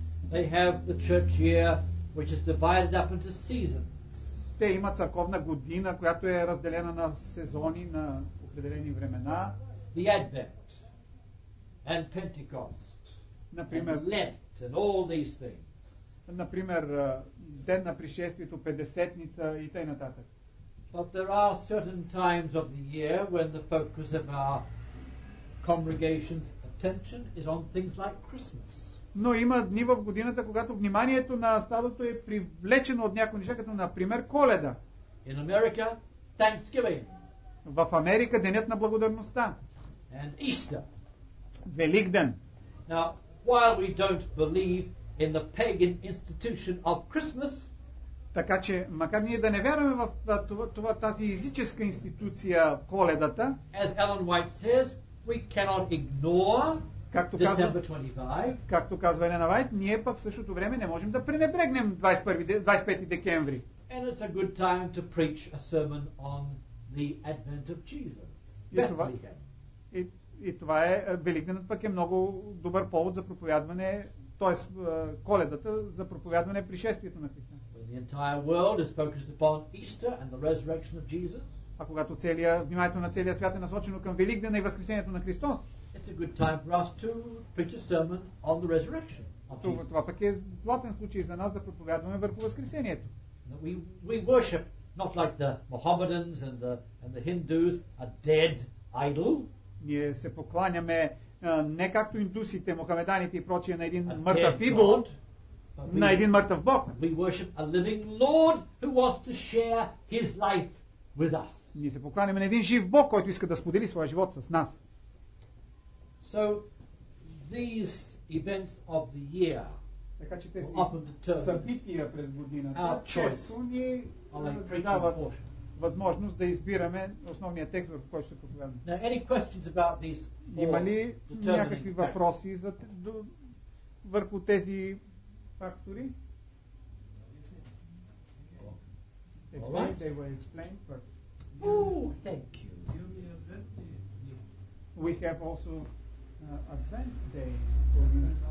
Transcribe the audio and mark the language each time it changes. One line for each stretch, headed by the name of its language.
English: They have the church year which is divided up into seasons.
Bulgarian: Те имат църковна година, която е разделена на сезони, на определени времена.
English: The Advent and Pentecost.
Bulgarian: Например,
English: and Lent and all these things.
Bulgarian: Например, ден на пришествието, Петдесетница и т.н.
English: But there are certain times of the year when the focus of our congregation's attention is on things like Christmas.
Bulgarian: Но има дни в годината, когато вниманието на стадото е привлечено от някои неща, като например Коледа.
English: In America, Thanksgiving.
Bulgarian: В Америка денят на благодарността.
English: And Easter.
Bulgarian: Великден.
English: Now, while we don't believe in the pagan institution of Christmas,
Bulgarian: така че макар ние да не вярваме в това тази езическа институция Коледата,
English: as Ellen White says, we cannot ignore December 25.
Bulgarian: Както казва Елена Вайт, ние пък в същото време не можем да пренебрегнем 25 декември.
English: And it's a good time to preach a sermon on the advent of Jesus.
Bulgarian: И това е Великденът пък е много добър повод за проповядване, т.е. Коледата за проповядване пришествието на Христа.
English: When the entire world is focused upon Easter and the resurrection of Jesus.
Bulgarian: А когато вниманието на целия свят е насочено към Великдена и възкресението на Христос.
English: It's a good time for us to preach a sermon on the resurrection.
Bulgarian: Това пък е златен случай за нас да проповядваме върху възкресението.
English: We worship not like the Mohammedans and the Hindus, a dead idol.
Bulgarian: Ние се покланяме не както индусите, мохамеданите и прочие на един мъртъв идол, на един мъртъв бог.
English: We worship a living Lord who wants to share his life with us.
Bulgarian: Ние се покланяме на един жив бог, който иска да сподели своя живот с нас.
English: So these events of the year,
Bulgarian: така че тези събития през годината често ни дават възможност да избираме основния текст, върху който ще проповядаме.
English: Now, any questions about these four?
Bulgarian: Има ли някакви въпроси върху тези фактори?
English: They were explained perfectly. Oh, thank you. We have also advent days for you.